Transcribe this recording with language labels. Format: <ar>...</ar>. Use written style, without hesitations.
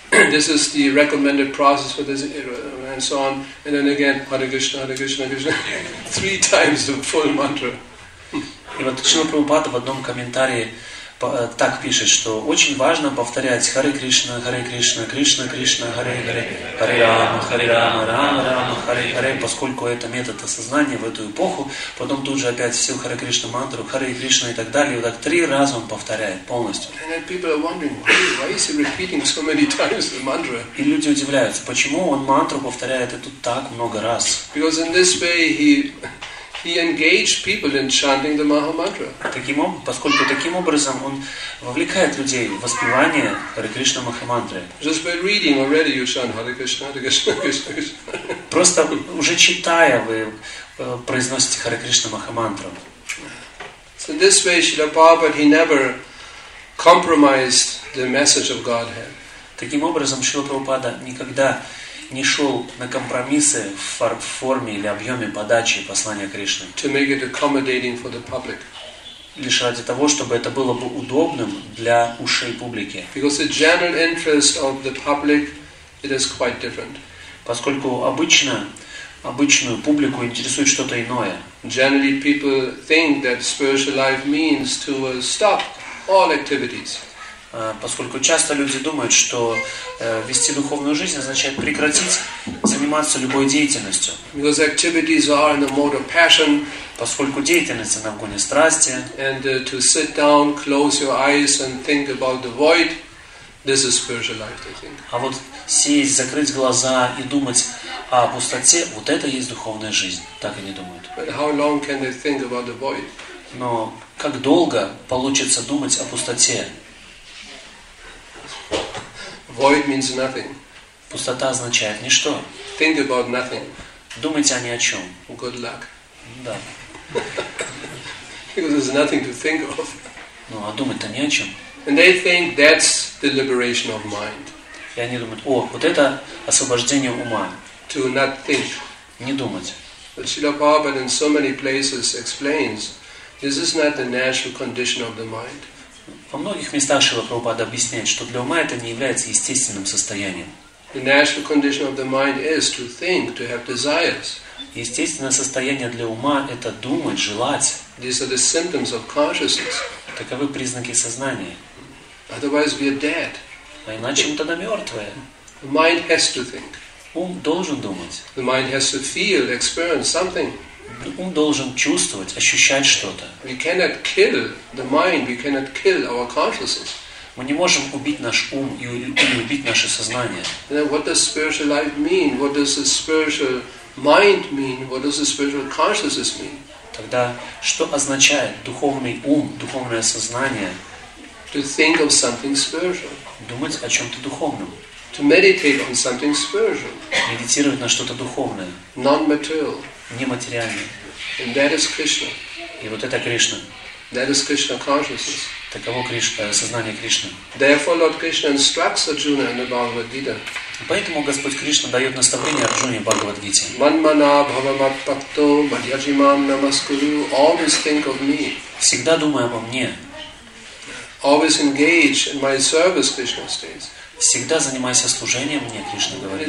<en>This is the recommended process for this era, and so on. And then again, Hare Krishna, Hare Krishna, Krishna. Three times the full mantra.</en> <ru>И вот Шрила Прабхупада в одном комментарии так пишет, что очень важно повторять Харе Кришна, Харе Кришна, Кришна Кришна, Харе Харе, Харе Рама, Харе Рама, Рама Рама, Харе Харе, поскольку это метод осознания в эту эпоху, потом тут же опять всю Харе Кришна мантру, Харе Кришна и так далее, и вот так три раза он повторяет полностью. И люди удивляются, почему он мантру повторяет эту так много раз.</ru> <en>Because in this way he engaged people in chanting the Maha Mantra.</en> <ru>Поскольку таким образом он вовлекает людей в воспевание Харе Кришна Маха Мантры.</ru> <en>Just by reading already you chant Hare Krishna, Hare Krishna, Krishna Krishna.</en> <ru>Просто уже читая вы произносите Харе Кришна Маха Мантру.</ru> <en>So in this way, Srila Prabhupada, he never compromised the message of Godhead.</en> <ru>Таким образом, Шрила Прабхупада никогда не шел на компромиссы в форме или объеме подачи послания Кришны.</ru> <en>To make it accommodating for the public.</en> <ru>Лишь ради того, чтобы это было бы удобным для ушей публики.</ru> <en>Because the general interest of the public, it is quite different.</en> <ru>Поскольку обычную публику интересует что-то иное.</ru> <en>Generally, people think that spiritual life means to stop all activities.</en> <ru>Поскольку часто люди думают, что вести духовную жизнь означает прекратить заниматься любой деятельностью.</ru> <en>Because activities are in the mode of passion.</en> <ru>Поскольку деятельность на гоне страсти.</ru> <en>And to sit down, close your eyes and think about the void. This is spiritual life, I think.</en> <ru>А вот сесть, закрыть глаза и думать о пустоте, вот это и есть духовная жизнь. Так они думают.</ru> <en>But how long can they think about the void?</en> <ru>Но как долго получится думать о пустоте?</ru> <en>Void means nothing.</en> <ru>Пустота означает ничто.</ru> <en>Think about nothing.</en> <ru>Думайте о ни о чем.</ru> <en>Good luck.</en> <ru>Да.</ru> <en>Because there's nothing to think of.</en> <ru>Ну, а думать-то ни о чем.</ru> <en>And they think that's the liberation of mind.</en> <ru>И они думают, о, вот это освобождение ума.</ru> <en>To not think.</en> <ru>Не думать.</ru> <en>But Srila Prabhupada in so many places explains, this is not the natural condition of the mind.</en> <ru>Во многих местах Шрила Прабхупада объясняет, что для ума это не является естественным состоянием.</ru> <en>The natural condition of the mind is to think, to have desires.</en> <ru>Естественное состояние для ума – это думать, желать.</ru> <en>These are the symptoms of consciousness.</en> <ru>Таковы признаки сознания.</ru> <en>Otherwise we are dead.</en> <ru>А иначе мы тогда мертвые.</ru> <en>The mind has to think.</en> <ru>Ум должен думать.</ru> <en>The mind has to feel, experience something.</en> <ru>Ум должен чувствовать, ощущать что-то.</ru> <en>We cannot kill the mind, we cannot kill our consciousness.</en> <ru>Мы не можем убить наш ум и убить наше сознание.</ru> <en>Then what does spiritual life mean? What does the spiritual mind mean? What does the spiritual consciousness mean?</en> <ru>Тогда что означает духовный ум, духовное сознание?</ru> <en>To think of something spiritual.</en> <ru>Думать о чем-то духовном.</ru> <en>To meditate on something spiritual.</en> <ru>Медитировать на что-то духовное.</ru> <en>Non-material.</en> <ru>Нематериальное.</ru> <en>And that is Krishna.</en> <ru>И вот это Кришна.</ru> <en>That is Krishna consciousness.</en> <ru>Таково Кришна, сознание Кришны.</ru> <en>Therefore, Lord Krishna instructs Arjuna in the Bhagavad Gita.</en> <ru>Поэтому Господь Кришна дает наставление Арджуне в Бхагавад Гите.</ru> <sa>Манмана бхавамат пакто мадьяджимам намаскуру.</sa> <en>Always think of me.</en> <ru>Всегда думай обо мне.</ru> <en>Always engage in my service, Krishna states.</en> <ru>Всегда занимайся служением мне, Кришна говорит.</ru>